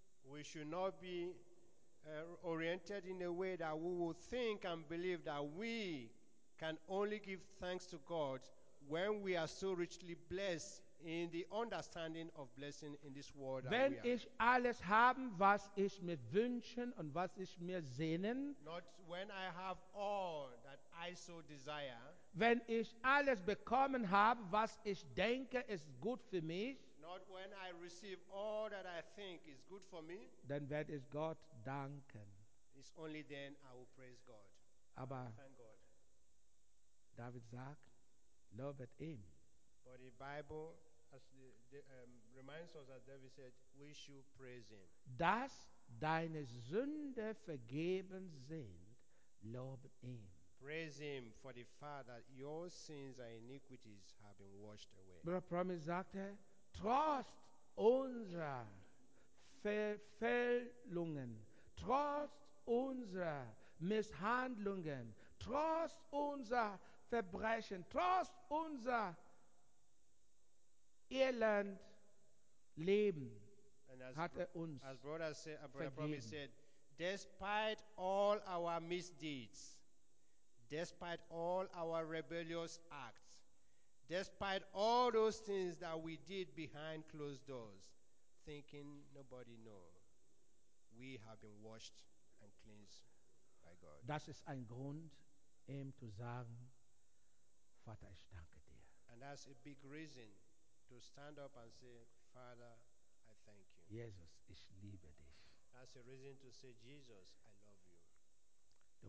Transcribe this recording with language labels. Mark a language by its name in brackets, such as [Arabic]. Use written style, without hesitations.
[English] We should not be oriented in a way that we will think and believe that we can only give thanks to God when we are so richly blessed in the understanding of blessing in this world. [German] Wenn ich alles haben, was ich mir wünschen und was ich mir sehnen, [English] not when I have all that I so desire, [German] wenn ich alles bekommen habe, was ich denke, ist gut für mich, [English] not when I receive all that I think is good for me, [German] dann werde ich Gott danken. [English] It's only then I will praise God. [German] Aber [English] thank God. [German] David sagt, lobet ihn. [English] But the Bible as reminds us, as David said, we should praise him. [German] Dass deine Sünde vergeben sind, lobe ihn. [English] Praise him for the fact that your sins and iniquities have been washed away. [German] Aber Promise sagte, trost unserer Fehlungen, trost unserer Misshandlungen, trost unserer Verbrechen, trost unserer Irland leben, [English] and as [German] hat uns. [English] As brother said, despite all our misdeeds, despite all our rebellious acts, despite all those things that we did behind closed doors, thinking nobody knows, we have been washed and cleansed by God. [German] Das ist ein Grund, ihm zu sagen, Vater, ich danke dir. [English] And that's a big reason to stand up and say, Father, I thank you. [German] Jesus, ich liebe dich. [English] That's a reason to say, Jesus, I love you.